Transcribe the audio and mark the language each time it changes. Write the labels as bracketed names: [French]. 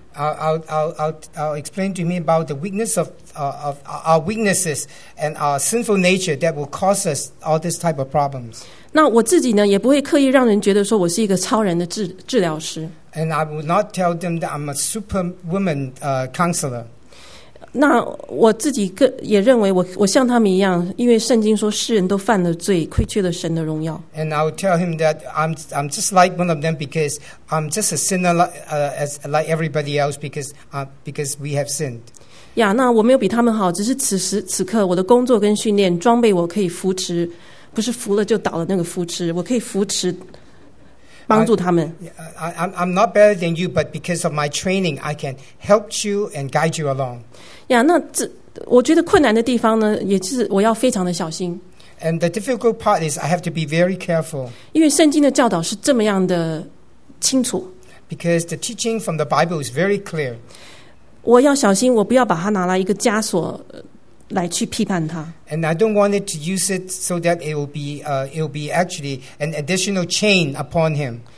[English] I'll explain to him about the weakness of our weaknesses and our sinful nature that will cause us all this type of problems. [Chinese] 那我自己呢，也不会刻意让人觉得说我是一个超人的治疗师。 [English] And I will not tell them that I'm a superwoman counselor. [Chinese] 那我自己也认为我像他们一样，因为圣经说世人都犯了罪，亏缺了神的荣耀。 [English] And I will tell him that I'm just like one of them because I'm just a sinner like everybody else because we have sinned. [Chinese] 呀，那我没有比他们好，只是此时此刻我的工作跟训练装备我可以扶持，不是扶了就倒了那个扶持，我可以扶持帮助他们。 [English] I'm not better than you, but because of my training, I can help you and guide you along. [Chinese] 呀，那这我觉得困难的地方呢，也是我要非常的小心。 [English] And the difficult part is I have to be very careful. [Chinese] 因为圣经的教导是这么样的清楚。 [English] Because the teaching from the Bible is very clear. [Chinese] 我要小心，我不要把它拿来一个枷锁来去批判它。 [English] And I don't want it to use it so that it will be actually an additional chain upon him.